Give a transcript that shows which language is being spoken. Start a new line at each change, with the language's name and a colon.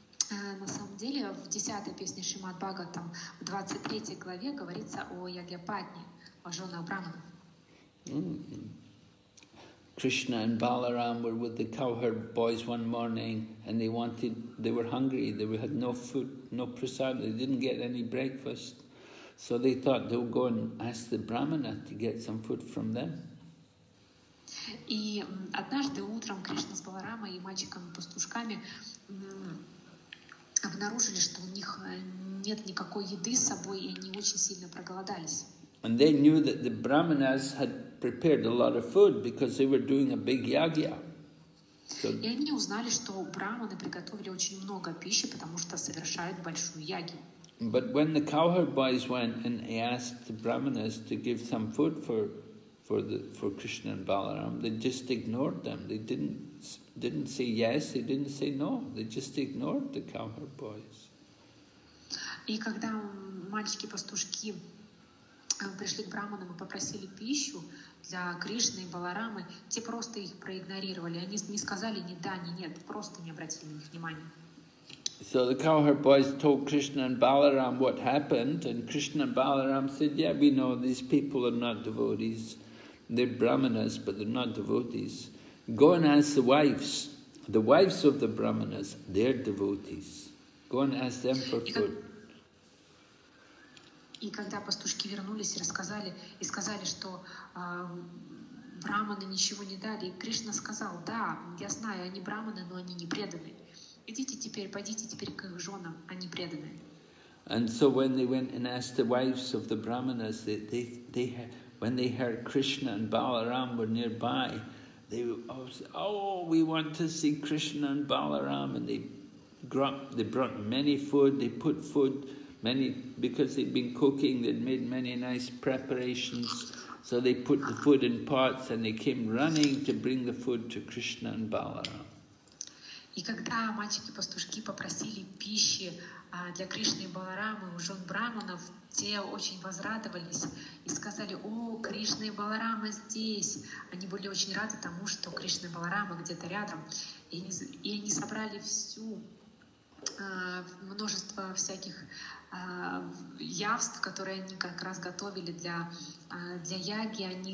Russian: На самом деле, в 10-й песне Шримад Бхагаватам, в 23-й главе говорится о Ягьяпатне, о жёнах Брахманов.
English: Krishna and Balaram were with the cowherd boys one morning, and they were hungry, they had no food, no prasad, they didn't get any breakfast. So they thought they would go and ask the Brahmana to get some food from them.
Russian: И однажды утром Кришна с Баларамой и мальчиками-пастушками обнаружили, что у них нет никакой еды с собой, и они очень сильно проголодались.
English: And they knew that the brahmanas had prepared a lot of food because they were doing a big yagya.
Russian: И они узнали, что брахманы приготовили очень много пищи, потому что совершают большую ягью.
English: But when the cowherd boys went and asked the brahmanas to give some food for Krishna and Balaram, they just ignored them. They didn't say yes, they didn't say no. They just ignored the cowherd boys.
Russian: И когда мальчики-пастушки пришли к Браманам и попросили пищу для Кришны и Баларамы, те просто их проигнорировали. Они не сказали ни да, ни нет, просто не обратили на них внимания.
English: So the cowherd boys told Krishna and Balaram what happened, and Krishna and Balaram said, yeah, we know these people are not devotees. They're brahmanas, but they're not devotees. Go and ask the wives. The wives of the brahmanas, they're devotees. Go and ask them for food.
Russian: И когда пастушки вернулись и сказали, что брахманы ничего не дали, и Кришна сказал, да, я знаю, они брахманы, но они не преданы. Пойдите теперь к их женам, они преданы.
English: And so when they went and asked the wives of the brahmanas, when they heard Krishna and Balaram were nearby, they all said, oh, we want to see Krishna and Balaram. And they brought many food, they put food, many, because they'd been cooking, they'd made many nice preparations. So they put the food in pots and they came running to bring the food to Krishna and Balaram.
Russian: И когда мальчики-пастушки попросили пищи для Кришны и Баларамы у жен брахманов, те очень возрадовались и сказали, о, Кришна и Баларама здесь. Они были очень рады тому, что Кришна и Баларама где-то рядом. И они собрали всю множество всяких явств, которые они как раз готовили для яги.